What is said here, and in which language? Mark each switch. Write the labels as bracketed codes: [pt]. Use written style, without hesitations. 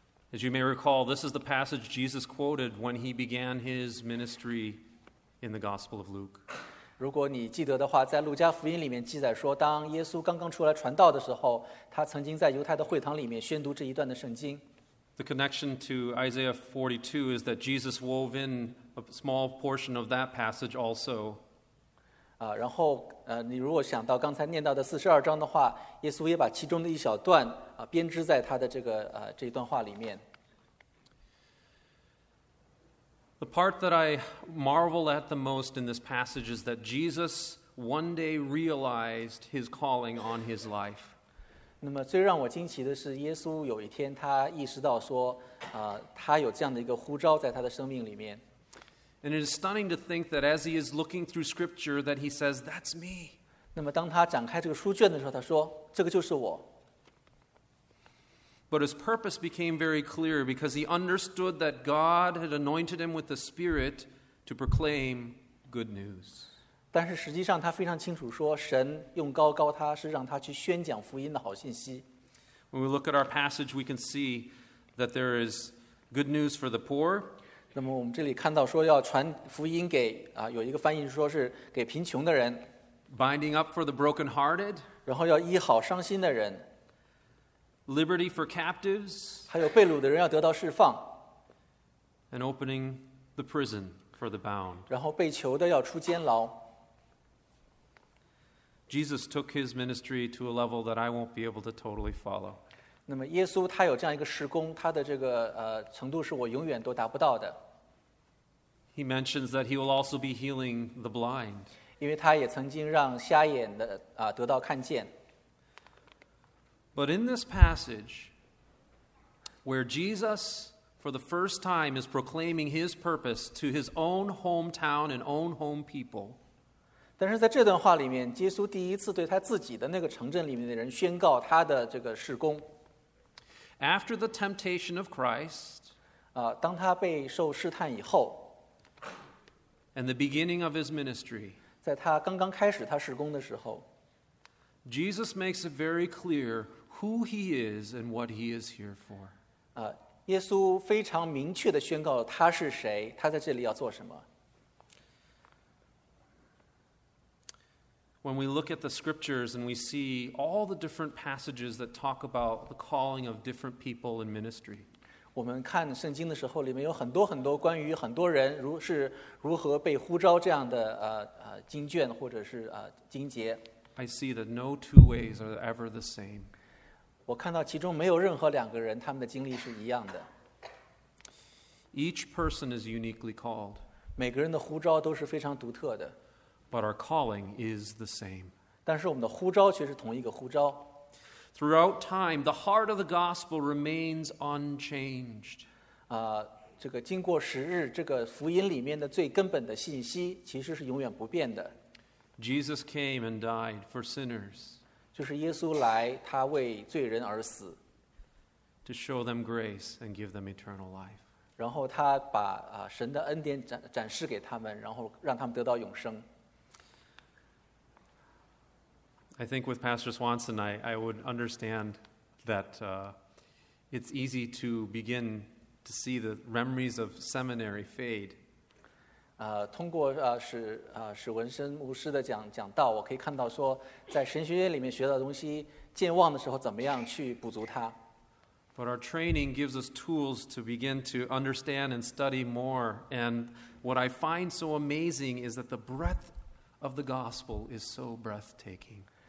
[en] As you may recall, this is the passage Jesus quoted when he began his ministry in the Gospel of Luke. [zh] 如果你记得的话，在路加福音里面记载说，当耶稣刚刚出来传道的时候，他曾经在犹太的会堂里面宣读这一段的圣经。 [en] The connection to Isaiah 42 is that Jesus wove in a small portion of that passage also. [zh] 然后你如果想到刚才念到的42章的话，耶稣也把其中的一小段编织在他的这个这一段话里面。 [en] The part that I marvel at the most in this passage is that Jesus one day realized his calling on his life. [zh] 那么最让我惊奇的是，耶稣有一天他意识到说，他有这样的一个呼召在他的生命里面。 [en] And it is stunning to think that as he is looking through scripture that he says, that's me. [zh] 那么当他展开这个书卷的时候，他说，这个就是我。 [en] But his purpose became very clear because he understood that God had anointed him with the Spirit to proclaim good news. [zh] 但是实际上他非常清楚说，神用膏膏他是让他去宣讲福音的好信息。 [en] When we look at our passage, we can see that there is good news for the poor. [zh] 那么我们这里看到说要传福音给有一个翻译说是给贫穷的人。 [en] Binding up for the brokenhearted. [zh] 然后要医好伤心的人。 [en] Liberty for captives. [zh] 还有被掳的人要得到释放。 [en] And opening the prison for the bound. [zh] 然后被囚的要出监牢。 [en] Jesus took his ministry to a level that I won't be able to totally follow. [zh] 那么耶稣他有这样一个事工，他的这个程度是我永远都达不到的。 [en] He mentions that he will also be healing the blind. [zh] 因为他也曾经让瞎眼的得到看见。 [en] But in this passage, where Jesus, for the first time, is proclaiming his purpose to his own hometown and own home people. [zh] 但是在这段话里面，耶稣第一次对他自己的那个城镇里面的人宣告他的这个事工。 [en] After the temptation of Christ, [zh] 当他被受试探以后 [en] ，and the beginning of his ministry, [zh] 在他刚刚开始他事工的时候 [en] ，Jesus makes it very clear who he is and what he is here for. [zh] 耶稣非常明确地宣告了他是谁，他在这里要做什么。 [en] When we look at the scriptures and we see all the different passages that talk about the calling of different people in ministry, [zh] 我们看圣经的时候，里面有很多很多关于很多人如何被呼召这样的经卷或者是经节。 [en] I see that no two ways are ever the same. [zh] 我看到其中没有任何两个人他们的经历是一样的。 [en] Each person is uniquely called. [zh] 每个人的呼召都是非常独特的。 [en] But our calling is the same. [zh] 但是我们的呼召却是同一个呼召。 [en] Throughout time, the heart of the gospel remains unchanged. [zh] 这个经过时日，这个福音里面的最根本的信息其实是永远不变的。 [en] Jesus came and died for sinners. [zh] 就是耶稣来，他为罪人而死。 [en] To show them grace and give them eternal life. [zh] 然后他把神的恩典展示给他们，然后让他们得到永生。 [en] I think with Pastor Swanson, I would understand that it's easy to begin to see the memories of seminary fade. [zh] 通过史文生牧师的讲道，我可以看到说，在神学院里面学到的东西，健忘的时候怎么样去补足它。 [en] But our training gives us tools to begin to understand and study more. And what I find so amazing is that the breadth of the gospel is so breathtaking.